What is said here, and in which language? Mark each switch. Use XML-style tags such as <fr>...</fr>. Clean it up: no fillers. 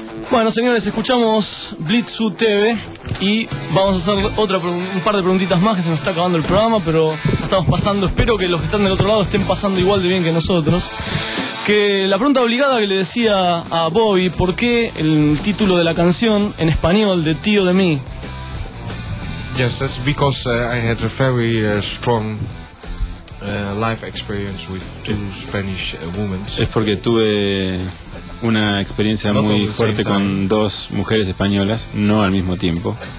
<es>Bueno, señores, escuchamos Blitzu TV y vamos a hacer otra un par de preguntitas más, que se nos está acabando el programa, pero la estamos pasando. Espero que los que están del otro lado estén pasando igual de bien que nosotros. Que la pregunta obligada que le decía a Bobby, ¿por qué el título de la canción en español de Tío de Mí?</es> <en>Yes, that's because I had a very strong life experience with two Spanish women.</en> <es>Es porque tuve una experiencia muy fuerte con dos mujeres españolas, no al mismo tiempo.</es>